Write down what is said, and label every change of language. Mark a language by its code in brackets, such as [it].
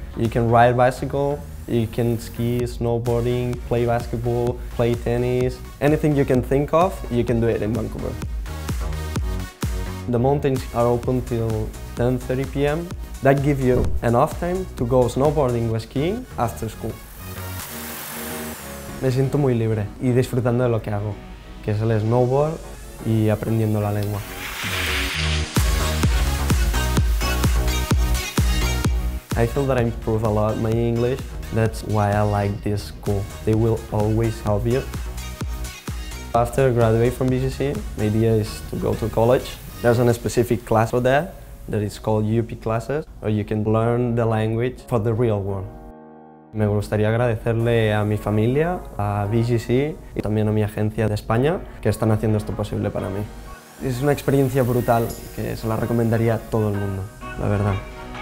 [en] You can ride bicycle, you can ski, snowboarding, play basketball, play tennis. Anything you can think of, you can do it in Vancouver. The mountains are open till 10:30 p.m. That gives you enough time to go snowboarding or skiing after school. [es] Me siento muy libre y disfrutando de lo que hago, que es el snowboard y aprendiendo la lengua. [en] I feel that I improve a lot my English. That's why I like this school. They will always help you. After I graduate from VGC, my idea is to go to college. There's a specific class for that, that is called UP classes, where you can learn the language for the real world. [es] Me gustaría agradecerle a mi familia, a VGC y también a mi agencia de España que están haciendo esto posible para mí. Es una experiencia brutal que se la recomendaría a todo el mundo, la verdad.